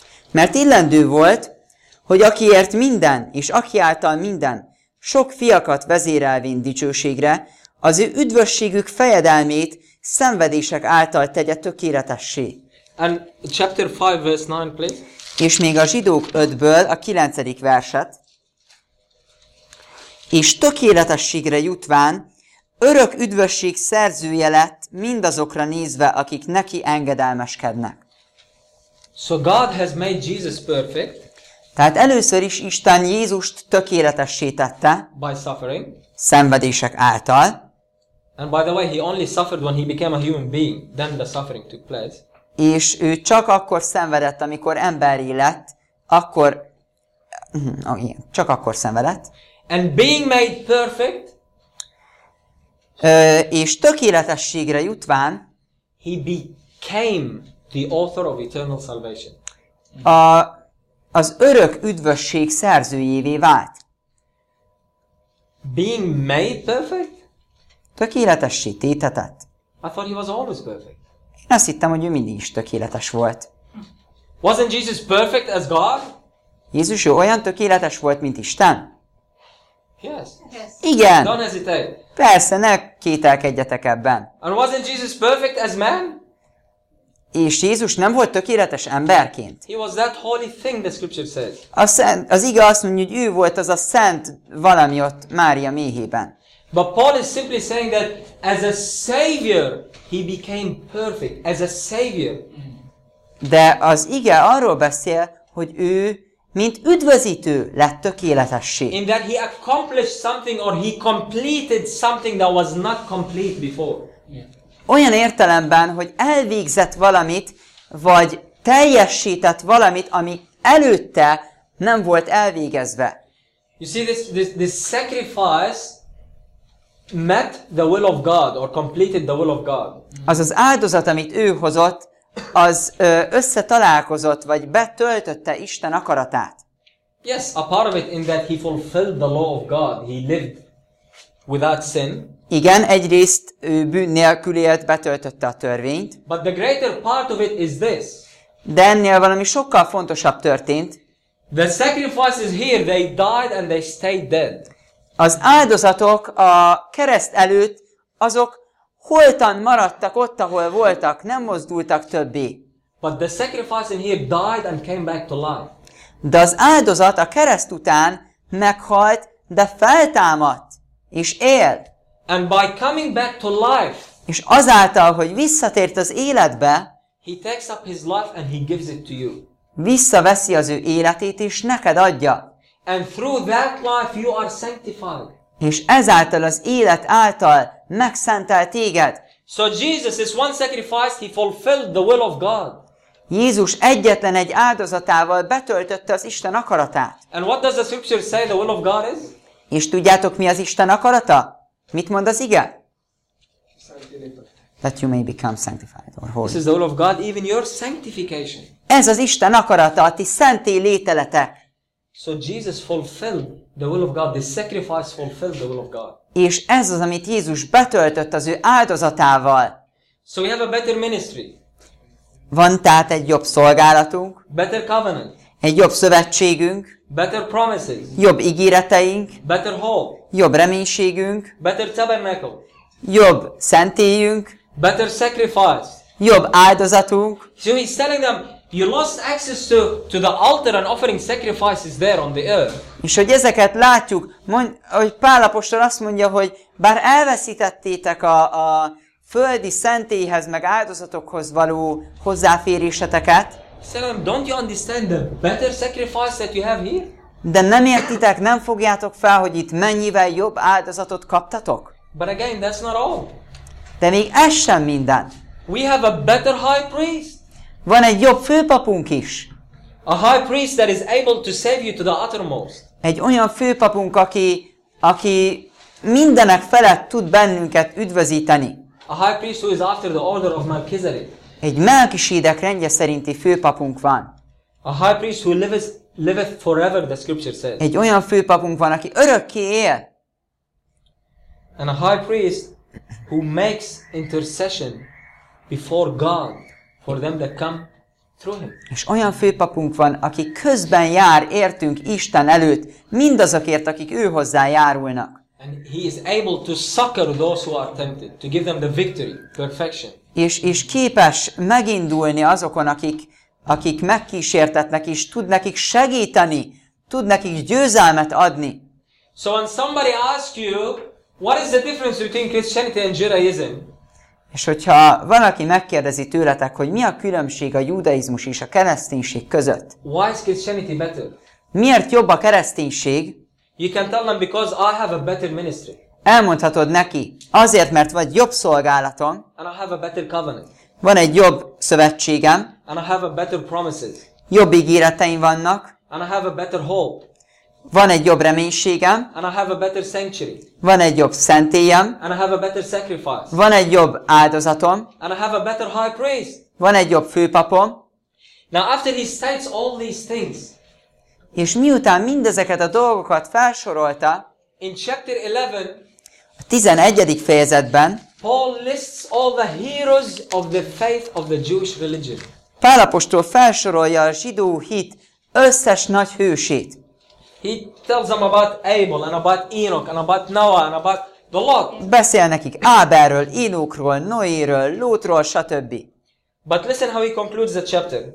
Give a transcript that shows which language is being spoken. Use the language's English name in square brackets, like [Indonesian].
[Hungarian] Mert illendő volt, hogy akiért minden, és aki által minden, sok fiakat vezérelvén dicsőségre, az ő üdvösségük fejedelmét szenvedések által tegye tökéletessé. [English] And chapter 5, verse 9, please. [Hungarian] És még a Zsidók 5-ből a 9. verset. És tökéletességre jutván, örök üdvösség szerzője lett mindazokra nézve, akik neki engedelmeskednek. [English] So God has made Jesus perfect. [Hungarian] Tehát először is Isten Jézust tökéletessé tette. [English] By suffering. [Hungarian] Szenvedések által. [English] And by the way, he only suffered when he became a human being. Then the suffering took place. [Hungarian] És ő csak akkor szenvedett, amikor emberi lett, akkor, csak akkor szenvedett. [English] And being made perfect, [Hungarian] és tökéletességre jutván, [English] he became the author of eternal salvation. [Hungarian] Az örök üdvösség szerzőjévé vált. [English] Being made perfect? [Hungarian] Tökéletessé tétetett. [English] I thought he was always perfect. [Hungarian] Én azt hittem, hogy ő mindig is tökéletes volt. [English] Wasn't Jesus perfect as God? [Hungarian] Jézus, ő olyan tökéletes volt, mint Isten? [English] Yes. [Hungarian] Igen. [English] Don't hesitate. [Hungarian] Persze, ne kételkedjetek ebben. [English] And wasn't Jesus perfect as man? [Hungarian] És Jézus nem volt tökéletes emberként. [English] He was that holy thing, the scripture says. [Hungarian] Az ige azt mondja, hogy ő volt az a szent valami ott Mária méhében. [English] But Paul is simply saying that as a savior he became perfect as a savior. [Hungarian] De az ige arról beszél, hogy ő mint üdvözítő lett tökéletessé. [English] In that he accomplished something or he completed something that was not complete before. [Hungarian] Olyan értelemben, hogy elvégzett valamit, vagy teljesített valamit, ami előtte nem volt elvégezve. [English] You see, this sacrifice met the will of God, or completed the will of God. [Hungarian] Az áldozat, amit ő hozott, az összetalálkozott, vagy betöltötte Isten akaratát. [English] Yes, a part of it in that he fulfilled the law of God. He lived without sin. [Hungarian] Igen, egyrészt ő bűn nélkül élt, betöltötte a törvényt. [English] But the greater part of it is this. [Hungarian] De ennél valami sokkal fontosabb történt. [English] The sacrifices here, they died and they stayed dead. [Hungarian] Az áldozatok a kereszt előtt, azok holtan maradtak ott, ahol voltak, nem mozdultak többé. [English] But the sacrifice in here died and came back to life. [Hungarian] De az áldozat a kereszt után meghalt, de feltámadt, és él. [English] And by coming back to life, [Hungarian] és azáltal, hogy visszatért az életbe, [English] he takes up his life and he gives it to you. [Hungarian] Visszaveszi az ő életét, és neked adja. [English] And through that life you are sanctified. [Hungarian] És ezáltal az élet által megszentelt téged. [English] So Jesus is one sacrifice, he fulfilled the will of God. [Hungarian] Jézus egyetlen egy áldozatával betöltötte az Isten akaratát. [English] And what does the scripture say the will of God is? [Hungarian] És tudjátok, mi az Isten akarata? Mit mond az ige? [English] That you may become sanctified or holy. This is the will of God, even your sanctification. [Hungarian] Ez az Isten akarata, a ti szenté lételetek. [English] So Jesus fulfilled the will of God. The sacrifice fulfilled the will of God. [Hungarian] És ez az, amit Jézus betöltött az ő áldozatával. [English] So we have a better ministry. [Hungarian] Van tehát egy jobb szolgálatunk. [English] Better covenant. [Hungarian] Egy jobb szövetségünk. [English] Better promises. [Hungarian] Jobb ígéreteink. [English] Better hope. [Hungarian] Jobb reménységünk. [English] Better tabernacle. [Hungarian] Jobb szentélyünk. [English] Better sacrifice. [Hungarian] Jobb áldozatunk. [English] So he's telling them, you lost access to the altar and offering sacrifices there on the earth. [Hungarian] És hogy ezeket látjuk, hogy Pál apostol azt mondja, hogy bár elveszítettétek a földi szentélyhez meg áldozatokhoz való hozzáféréseteket. Szerintem, [English] don't you understand the better sacrifice that you have here? [Hungarian] De nem értitek, nem fogjátok fel, hogy itt mennyivel jobb áldozatot kaptatok? [English] But again, that's not all. [Hungarian] De még ez sem minden. [English] We have a better high priest. [Hungarian] Van egy jobb főpapunk is. [English] A high priest that is able to save you to the uttermost. [Hungarian] Egy olyan főpapunk, aki mindenek felett tud bennünket üdvözíteni. [English] A high priest who is after the order of Melchizedek. [Hungarian] Egy Melkisédek rendje szerinti főpapunk van. [English] A high priest who liveth forever, the scripture says. [Hungarian] Egy olyan főpapunk van, aki örökké él. [English] And a high priest who makes intercession before God for them that come through him. [Hungarian] És olyan főpapunk van, aki közben jár értünk Isten előtt, mindazokért, akik ő hozzá járulnak. [English] And he is able to succor those who are tempted, to give them the victory, perfection. [Hungarian] És képes megindulni azokon, akik megkísértetnek, és tud nekik segíteni, tud nekik győzelmet adni. [English] So when somebody asks you, what is the difference between Christianity and Judaism? [Hungarian] És hogyha van, aki megkérdezi tőletek, hogy mi a különbség a judaizmus és a kereszténység között? [English] Why is Christianity better? [Hungarian] Miért jobb a kereszténység? [English] You can tell them because I have a better ministry. [Hungarian] Elmondhatod neki, azért, mert vagy jobb szolgálatom, [English] and I have a better covenant. [Hungarian] Van egy jobb szövetségem, [English] and I have a better promises. [Hungarian] Jobb ígéreteim vannak, [English] and I have a better hope. [Hungarian] Van egy jobb reménységem, [English] and I have a better sanctuary. [Hungarian] Van egy jobb szentélyem, [English] and I have a better sacrifice. [Hungarian] Van egy jobb áldozatom, [English] and I have a better high priest. [Hungarian] Van egy jobb főpapom. [English] Now after he states all these things, [Hungarian] és miután mindezeket a dolgokat felsorolta, [English] in chapter 11, [Hungarian] a 11. fejezetben [English] Paul lists all the heroes of the faith of the Jewish religion. [Hungarian] Pál apostol felsorolja a zsidó hit összes nagy hősét. [English] He tells them about Abel and about Enoch and about Noah and about the Lot. [Hungarian] Beszél nekik Ábelről, Énokról, Noéről, Lótról, stb. [English] But listen how he concludes the chapter.